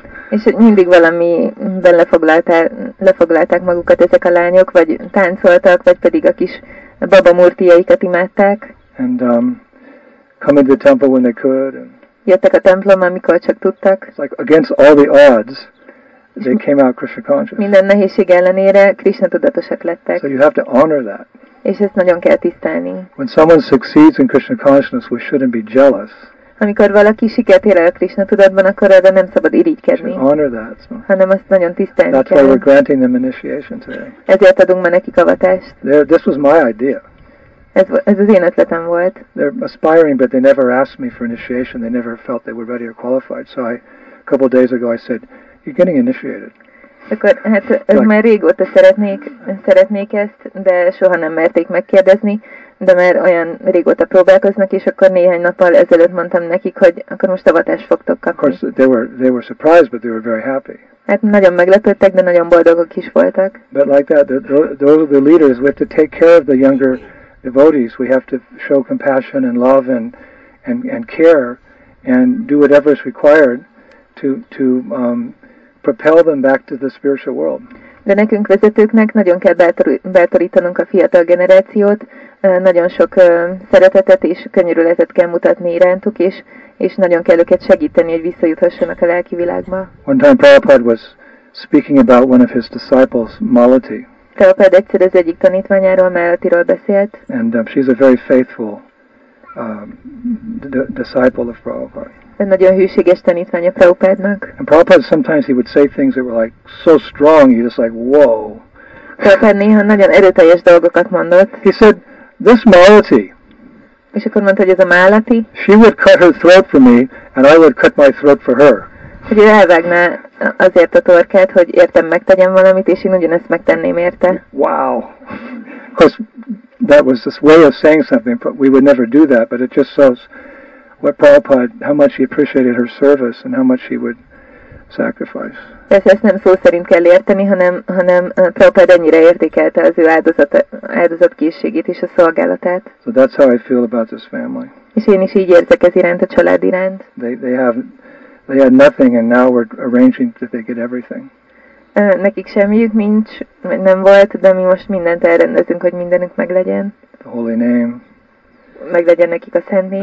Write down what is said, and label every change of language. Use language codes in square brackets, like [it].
[hu] És mindig valamiben lefoglalták magukat ezek a lányok, vagy táncoltak, vagy pedig a kis baba murtiaikat imádták. [en] And coming to the temple when they could. And [hu] jöttek a templomba, amikor csak tudtak. [en] It's like against all the odds, they came out Krishna conscious. [hu] Minden nehézség ellenére Krishna tudatosak lettek. [en] So you have to honor that. [hu] És ezt nagyon kell tisztelni. [en] When someone succeeds in Krishna consciousness, we shouldn't be jealous. [hu] Amikor valaki sikert ér el Krishna tudatban, akkor erre nem szabad irigykedni. [en] Honor that. [hu] Hanem azt nagyon tisztelni kell. [en] That's why we're granting them initiation today. [hu] Ezért adunk ma nekik avatást. [en] This was my idea. [hu] Ez az én ötletem volt. [en] They're aspiring, but they never asked me for initiation. They never felt they were ready or qualified. So a couple of days ago I said, you're getting initiated. [hu] Akkor hát ez már régóta szeretnék ezt, de soha nem merték megkérdezni. De már olyan régóta próbálkoznak, és akkor néhány nappal ezelőtt mondtam nekik, hogy akkor most avatást fogtok kapni. [en] Of course, they were surprised, but they were very happy. [hu] Hát nagyon meglepődtek, de nagyon boldogok is voltak. [en] But like that, those are the leaders. We have to take care of the younger devotees. We have to show compassion and love and care and do whatever is required to propel them back to the spiritual world. [hu] De nekünk vezetőknek nagyon kell bátorítanunk a fiatal generációt, nagyon sok szeretetet és könyörületet kell mutatni irántuk, és nagyon kell őket segíteni, hogy visszajuthassanak a lelki világba. [en] One time Prabhupada was speaking about one of his disciples, Malati. [hu] Prabhupada egyszer az egyik tanítványáról, Malatiról beszélt. [en] And she's a very faithful disciple of Prabhupada. [hu] Nagyon hűséges tanítványa Prabhupádnak. [en] And Prabhupada sometimes he would say things that were like so strong, you just like, whoa. [hu] Prabhupád néha nagyon erőteljes dolgokat mondott. [en] He said, this Malati. [hu] És akkor mondta, hogy ez a Malati. [en] She would cut her throat for me, and I would cut my throat for her. [hu] Hogy ő elvágná azért a torkát, hogy értem megtegyem valamit, és én ugyanezt megtenném érte. [en] Wow. Of course, that was this way of saying something, but we would never do that, but it just shows what Prabhupada, how much he appreciated her service and how much he would sacrifice. [hu] Ezt nem szó szerint kell érteni, hanem Prabhupada ennyire értékelte az ő áldozatkészségét és a szolgálatát. [en] So that's how I feel about this family. [hu] És én is így érzek ez iránt, a család iránt. [en] They had nothing and now we're arranging that they get everything. [hu] Nekik semmiük nincs, nem volt, de mi most mindent elrendezünk, hogy mindenük meglegyen. [en] The holy name. [hu] Meglegyen nekik a szent név.